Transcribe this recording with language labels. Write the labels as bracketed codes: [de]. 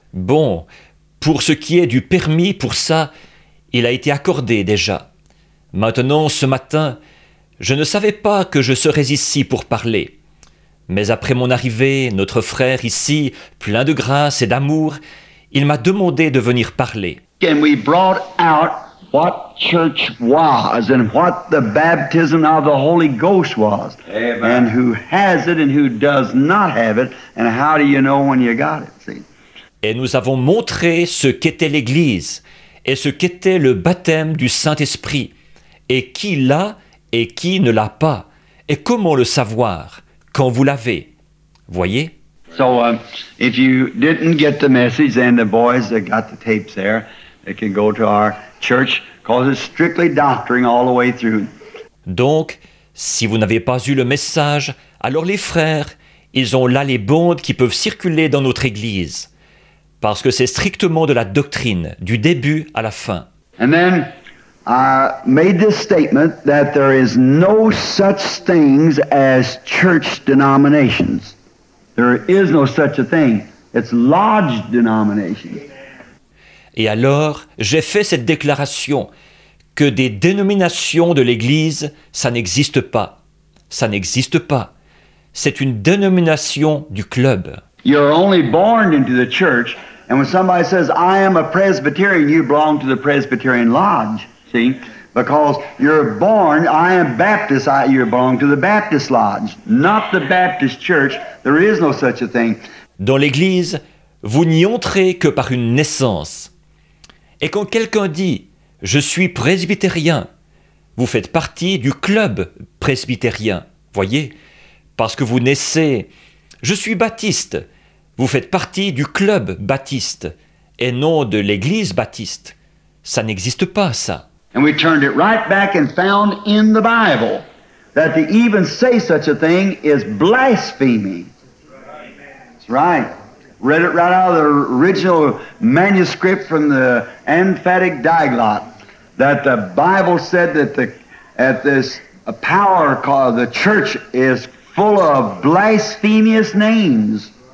[fr] Bon, pour ce qui est du permis pour ça, il a été accordé déjà. Maintenant, ce matin, je ne savais pas que je serais ici pour parler. Mais après mon arrivée, notre frère ici, plein de grâce et d'amour, il m'a demandé de venir parler. [en] And we brought out what church was and what the baptism of the Holy Ghost was. Amen. And who has it and who does not have it. And how do you know when you got it, see? [fr] Et nous avons montré ce qu'était l'Église et ce qu'était le baptême du Saint-Esprit et qui l'a et qui ne l'a pas et comment le savoir. Quand vous l'avez, voyez. [en] So, if you didn't get the message, then the boys that got the tapes there, they can go to our church, cause it's strictly doctrine all the way through. [fr] Donc, si vous n'avez pas eu le message, alors les frères, ils ont là les bandes qui peuvent circuler dans notre église, parce que c'est strictement de la doctrine, du début à la fin. [en] And then I made this statement that there is no such things as church denominations. There is no such a thing. It's lodge denominations. [fr] Et alors, j'ai fait cette déclaration que des dénominations de l'Église, ça n'existe pas. Ça n'existe pas. C'est une dénomination du club. [en] You're only born into the church, and when somebody says, I am a Presbyterian, you belong to the Presbyterian lodge. See, because you're born, I am Baptist, you belong to the Baptist lodge, not the Baptist church. There is no such a thing. [fr] Dans l'église, vous n'y entrez que par une naissance. Et quand quelqu'un dit, je suis presbytérien, vous faites partie du club presbytérien, voyez, parce que vous naissez. Je suis baptiste, vous faites partie du club baptiste, et non de l'église baptiste. Ça n'existe pas, ça. [en] And we turned it right back and found in the Bible that to even say such a thing is blasphemy. Right. Read it right out of the original manuscript from the emphatic diglot that the Bible said that this power called the church is full of blasphemous names.